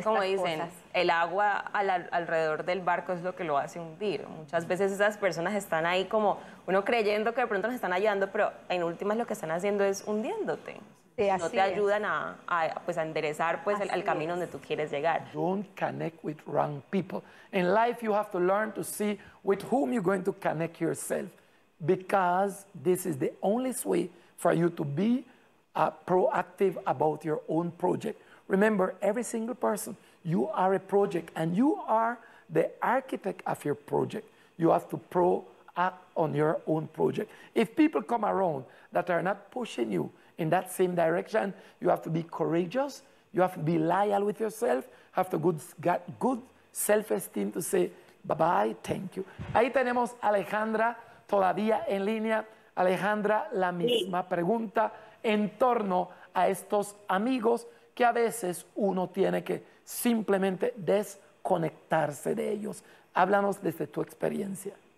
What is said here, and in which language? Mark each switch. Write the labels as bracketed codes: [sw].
[es] Es como dicen, el agua alrededor del barco es lo que lo hace hundir. Muchas veces esas personas están ahí como uno creyendo que de pronto nos están ayudando, pero en últimas lo que están haciendo es hundiéndote. Sí, así no te es. Ayudan a enderezar el camino donde tú quieres llegar. [en] Don't connect with wrong people. In life you have to learn to see with whom you're going to connect yourself. Because this is the only way for you to be proactive about your own project. Remember, every single person, you are a project and you are the architect of your project. You have to proact on your own project. If people come around that are not pushing you in that same direction, you have to be courageous, you have to be loyal with yourself, have to get good self-esteem to say, bye-bye, thank you. [es] Ahí tenemos Alejandra. Todavía en línea, Alejandra, la misma pregunta en torno a estos amigos que a veces uno tiene que simplemente desconectarse de ellos. Háblanos desde tu experiencia.